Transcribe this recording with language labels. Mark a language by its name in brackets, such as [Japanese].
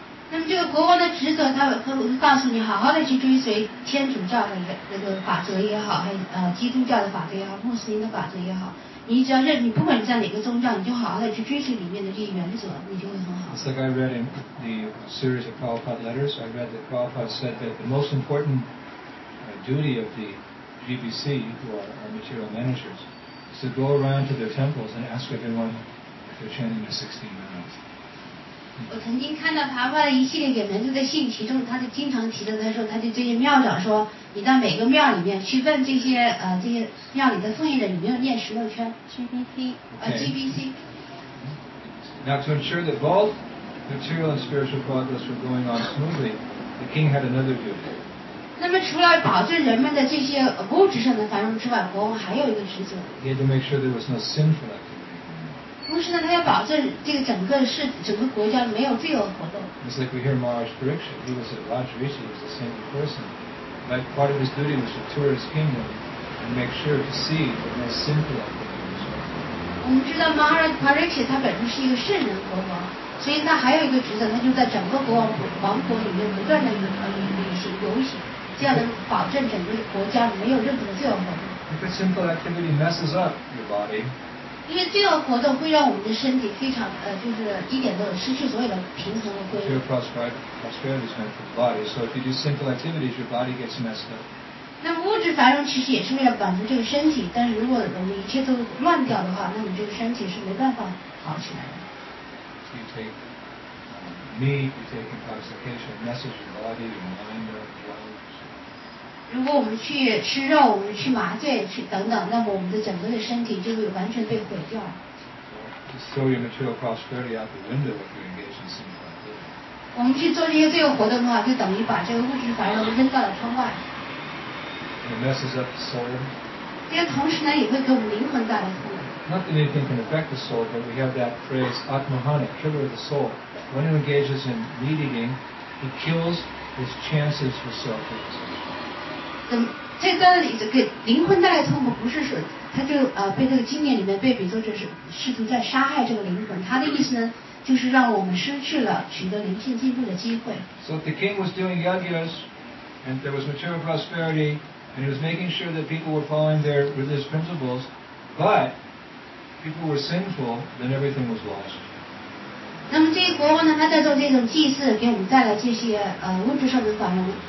[Chinese] 那么这个国王的职责，他会告诉你好好的去追随。天主教的那个法则也好，还基督教的法则也好，穆斯林的法则也好，你只要认你不管你在哪个宗教，你就好好的去追随里面的这些原则，你就会很好。 [English] It's like I read in the series of Prabhupada letters. I read that Prabhupada said that the most important duty of the GBC, who are our material managers, is to go around to their temples and ask everyone if they're chanting the 16 mantras. [Chinese] 我曾经看到爬爬的一系列给门徒的信，其中他就经常提到，他说他就对着庙长说，你到每个庙里面去问这些这些庙里的奉献者有没有念十六圈 GBC。 [English] Now to ensure that both material and spiritual progress were going on smoothly, the king had another duty. [Chinese] 那么除了保证人们的这些物质上的繁荣之外，国王还有一个职责。 [English] He had to make sure there was no sinful activity. [Chinese] 同时呢，他要保证这个整个是整个国家没有罪恶活动。 [English] It's like we hear Maharaj Pariksha. He was a Rajarishi, he was a saintly person. But part of his duty was to tour his kingdom and make sure to see the most sinful activities. [Chinese] 我们知道 Maharaj Pariksha 他本身是一个圣人国王，所以他还有一个职责，他就在整个国王国里面不断的旅行游行，这样能保证整个国家没有任何罪恶活动。 [English] If a sinful activity messes up your body. [Chinese] 因为罪恶活动会让我们的身体非常就是一点都失去所有的平衡和规律。 [English] Material prosperity is meant for the body, so if you do sinful activities, your body gets messed up. [Chinese] 那物质繁荣其实也是为了满足这个身体，但是如果我们一切都乱掉的话，那我们这个身体是没办法好起来的。 [English] So、you take meat, you take intoxication, messes your body, your mind, your blood. [Chinese] 如果我们去吃肉，我们去麻醉，去等等，那么我们的整个的身体就会完全被毁掉。我们去做这些罪恶活动的话，就等于把这个物质繁荣扔到了窗外。 [English] It messes up the soul. [Chinese] 这个同时呢，也会给我们灵魂带来痛苦。 [English] Not that anything can affect the soul, but we have that phrase, "Atmahani, killer of the soul." When he engages in meat eating, he kills his chances for self-realization. [Chinese] 这跟给灵魂带来痛苦，不是说他就被这个经念里面被比作是试图在杀害这个灵魂。他的意思呢，就是让我们失去了取得灵性进步的机会。 [English] So the king was doing yagyas, and there was material prosperity, and he was making sure that people were following their religious principles, but people were sinful, then everything was lost. [Chinese] 那么这些国王呢，他在做这种祭祀，给我们带来这些物质上的繁荣。